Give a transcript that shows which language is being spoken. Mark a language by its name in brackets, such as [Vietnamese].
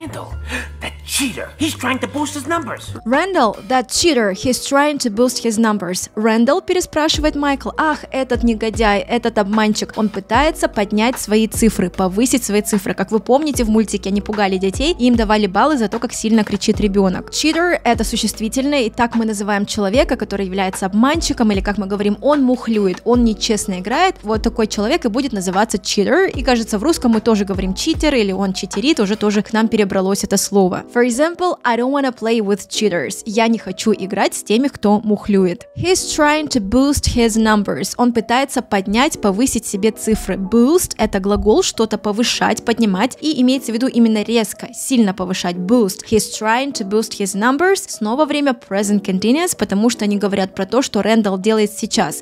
[English] Randall, that cheater, he's trying to boost his numbers. Randall, that cheater, he's trying to boost his numbers. [Russian] Randall, переспрашивает Майкл, ах, этот негодяй, этот обманщик, он пытается поднять свои цифры, повысить свои цифры. Как вы помните, в мультике они пугали детей, и им давали баллы за то, как сильно кричит ребенок. Cheater – это существительное, и так мы называем человека, который является обманщиком, или как мы говорим, он мухлюет, он нечестно играет, вот такой человек и будет называться читер. И кажется, в русском мы тоже говорим читер или он читерит, уже тоже к нам перебралось это слово. [English] For example, I don't wanna play with cheaters. [Russian] Я не хочу играть с теми, кто мухлюет. [English] He's trying to boost his numbers. [Russian] Он пытается поднять, повысить себе цифры. Boost – это глагол что-то повышать, поднимать, и имеется в виду именно резко, сильно повышать. [English] Boost. He's trying to boost his numbers. [Russian] Снова время present continuous, потому что они говорят про то, что Рэндалл делает сейчас.